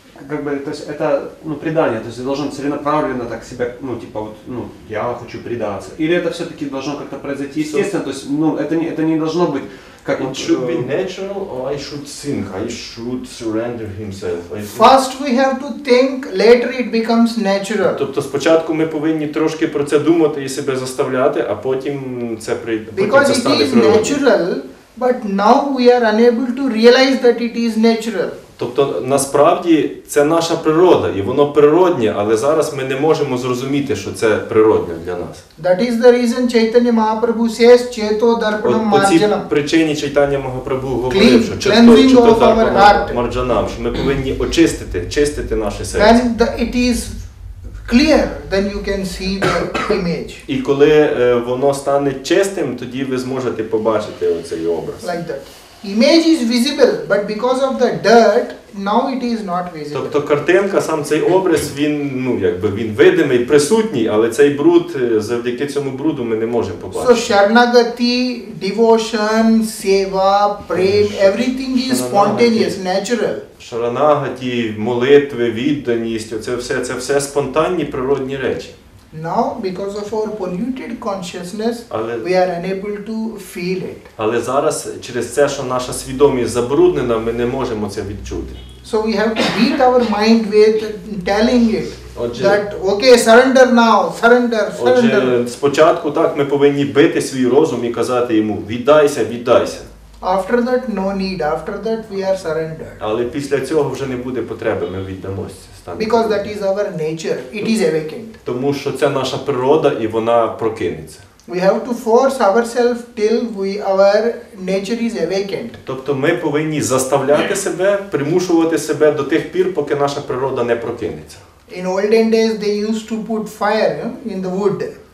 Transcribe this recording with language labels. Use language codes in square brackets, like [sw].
[ru] Как бы, то есть это, ну, предание, то есть ты должен целенаправленно так себя, ну, типа вот, ну, я хочу предаться. Или это все-таки должно как-то произойти естественно, то есть, ну, это не должно быть как... [en] It should be natural or I should think, I should surrender himself. First we have to think, later it becomes natural. [uk] Тобто спочатку ми повинні трошки про це думати і себе заставляти, а потім це прийде. [en] Because it is natural. But now we are unable to realize that it is natural. [uk] Тобто насправді це наша природа, і воно природнє, але зараз ми не можемо зрозуміти, що це природне для нас. [en] That is the reason Chaitanya Mahaprabhu says [sa] Cheto Darpanam Marjanam. [uk] По цій причині Чайтанья Махапрабу говорив, що [sa] Чето Дарпанам Марджанам, [uk] що ми повинні очистити, чистити наше серце. [en] When it is clear, then you can see the image. [uk] І коли воно стане чистим, тоді ви зможете побачити оцей образ. [en] Like that. Image is visible, but because of the dirt, now it is not visible. [uk] Тобто картинка, сам цей образ, він, ну, якби він видимий, присутній, але цей бруд, завдяки цьому бруду ми не можемо побачити. [en] So Sharanagati, devotion, seva, prem, everything is spontaneous, natural. [uk] Шаранагаті, молитви, відданість, це все спонтанні природні речі. [en] Now, because of our polluted consciousness, we are unable to feel it. [uk] Але зараз, через це, що наша свідомість забруднена, ми не можемо це відчути. [en] So we have to beat our mind with telling it. That, okay, surrender now, surrender, surrender. [uk] Отже, спочатку так, ми повинні бити свій розум і казати йому, віддайся, віддайся. [en] After that no need, after that we are surrendered. [uk] Але після цього вже не буде потреби, ми віддамося. [en] Because that is our nature, it is awakened. [uk] Тому що це наша природа і вона прокинеться. [en] We have to force ourselves till our nature is awakened. [uk] Тобто ми повинні заставляти себе, примушувати себе до тих пір, поки наша природа не прокинеться. [en] In olden days they used to put fire in the wood.